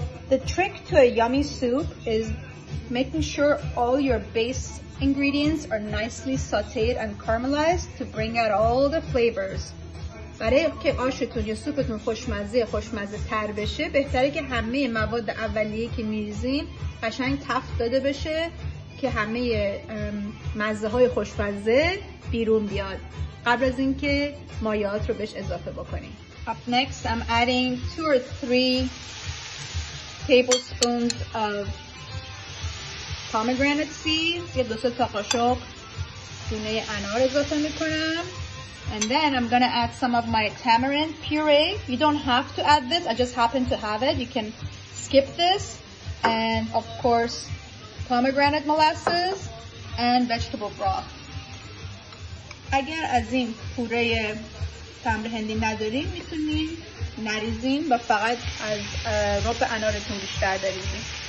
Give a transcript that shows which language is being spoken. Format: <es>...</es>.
<en>The trick to a yummy soup is making sure all your base ingredients are nicely sautéed and caramelized to bring out all the flavors.</en> <fa>برای که آشتون یا سوپتون خوشمزه‌تر بشه، بهتره که همه مواد اولیه که می‌ریزیم قشنگ تفت داده بشه که همه مزه‌های خوشمزه بیرون بیاد قبل از اینکه مایعات رو بهش اضافه بکنیم.</fa> <en>Up next, I'm adding 2 or 3 tablespoons of pomegranate seeds.</en> <fa>یه دو سه تا قاشق دونه انار اضافه میکنم.</fa> <en>And then I'm gonna add some of my tamarind puree. You don't have to add this. I just happen to have it. You can skip this. And of course, pomegranate molasses and vegetable broth.</en> <fa>اگر از این پوره تمر هندی نداریم میتونیم نریزین و فقط از رب انارتون بیشتر بریزین.</fa>